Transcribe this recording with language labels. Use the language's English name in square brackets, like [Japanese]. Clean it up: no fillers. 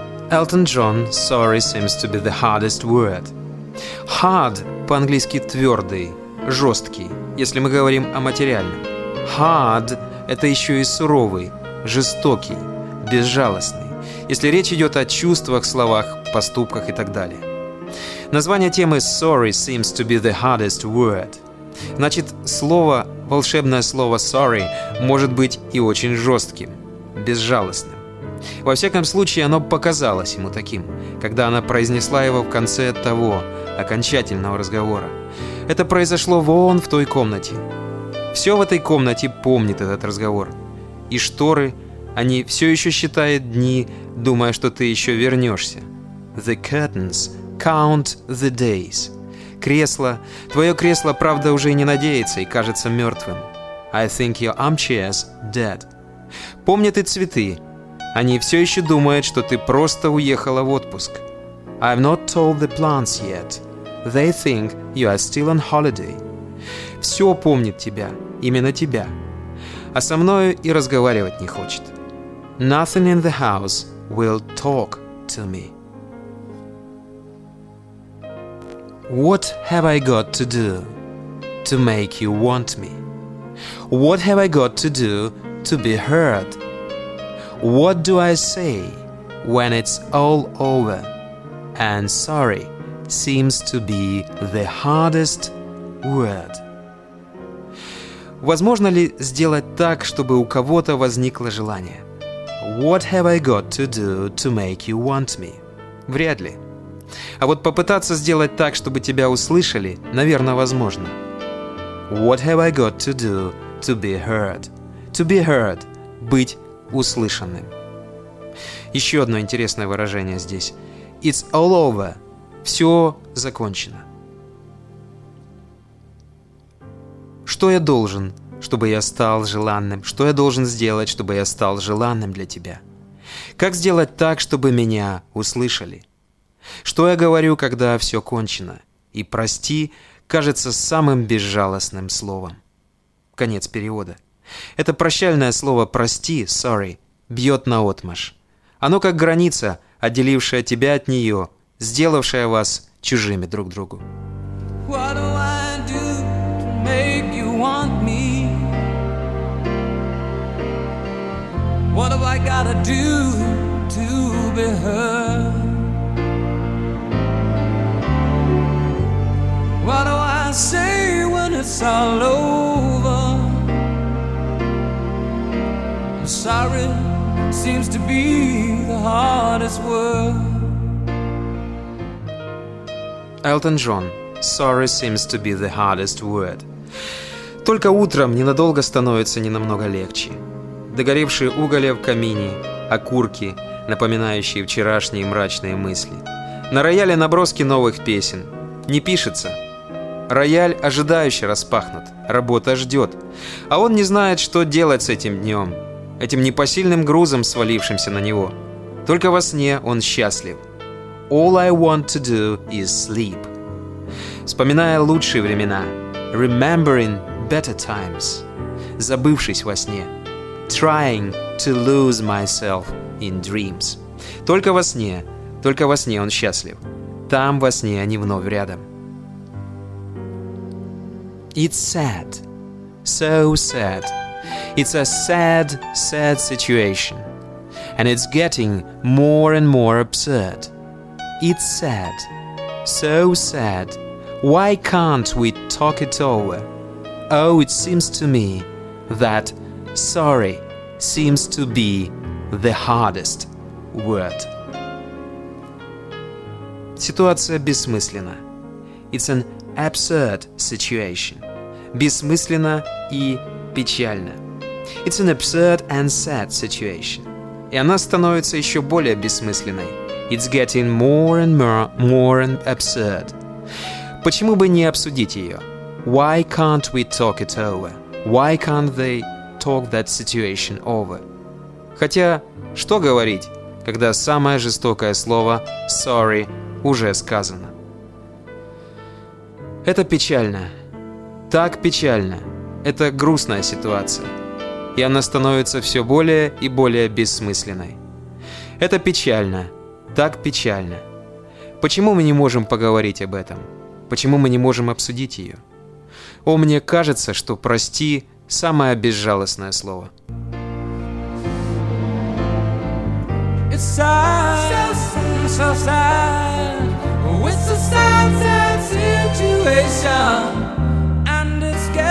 [English] Элтон Джон, sorry seems to be the hardest word. [Russian] Hard по-английски твердый, жесткий, если мы говорим о материальном. Hard – это еще и суровый, жестокий, безжалостный, если речь идет о чувствах, словах, поступках и так далее. Название темы [English] sorry seems to be the hardest word. [Russian] Значит, слово, волшебное слово «sorry» может быть и очень жестким, безжалостным. Во всяком случае, оно показалось ему таким, когда она произнесла его в конце того окончательного разговора. Это произошло вон в той комнате. Все в этой комнате помнит этот разговор. И шторы, они все еще считают дни, думая, что ты еще вернешься. [English] The curtains count the days. [Russian] Кресло. Твое кресло, правда, уже и не надеется и кажется мертвым. [English] I think your armchair's dead. [Russian] Помнят и цветы. Они все еще думают, что ты просто уехала в отпуск. [English] I've not told the plants yet. They think you are still on holiday. [Russian] Все помнит тебя, именно тебя. А со мною и разговаривать не хочет. [English] Nothing in the house will talk to me. What have I got to do to make you want me? What have I got to do to be heard? What do I say when it's all over? And sorry seems to be the hardest word. [Russian] Возможно ли сделать так, чтобы у кого-то возникло желание? [English] What have I got to do to make you want me? [Russian] Вряд ли. А вот попытаться сделать так, чтобы тебя услышали, наверное, возможно. [English] What have I got to do to be heard? To be heard – [Russian] быть услышанным. Еще одно интересное выражение здесь. [English] It's all over – [Russian] все закончено. Что я должен, чтобы я стал желанным? Что я должен сделать, чтобы я стал желанным для тебя? Как сделать так, чтобы меня услышали? Что я говорю, когда все кончено? И прости, кажется самым безжалостным словом. Конец перевода. Это прощальное слово «прости», «sorry», бьет наотмашь. Оно как граница, отделившая тебя от нее, сделавшая вас чужими друг другу. [English] What do I do to make you want me? What have I gotta do to be heard? What do I say when it's all over? Sorry seems to be the hardest word. [Russian] Элтон Джон. [English] Sorry seems to be the hardest word. [Russian] Только утром ненадолго становится не намного легче. Догоревшие уголья в камине, окурки, напоминающие вчерашние мрачные мысли. На рояле наброски новых песен. Не пишется. Рояль ожидающе распахнут, работа ждет. А он не знает, что делать с этим днем, этим непосильным грузом, свалившимся на него. Только во сне он счастлив. [English] All I want to do is sleep. [Russian] Вспоминая лучшие времена. [English] Remembering better times. [Russian] Забывшись во сне. [English] Trying to lose myself in dreams. [Russian] Только во сне он счастлив. Там во сне они вновь рядом. [English] It's sad, so sad. It's a sad, sad situation. And it's getting more and more absurd. It's sad, so sad. Why can't we talk it over? Oh, it seems to me that sorry seems to be the hardest word. [Russian] Ситуация бессмысленна. [English] It's an absurd situation. [Russian] Бессмысленно и печально. [English] It's an absurd and sad situation. [Russian] И она становится еще более бессмысленной. [English] It's getting more and absurd. [Russian] Почему бы не обсудить ее? [English] Why can't we talk it over? Why can't they talk that situation over? [Russian] Хотя, что говорить, когда самое жестокое слово «sorry» уже сказано? Это печально. Так печально. Это грустная ситуация. И она становится все более и более бессмысленной. Это печально. Так печально. Почему мы не можем поговорить об этом? Почему мы не можем обсудить ее? О, мне кажется, что «прости» – самое безжалостное слово. [English] It's sad, so sad, with the sad, sad situation. And it's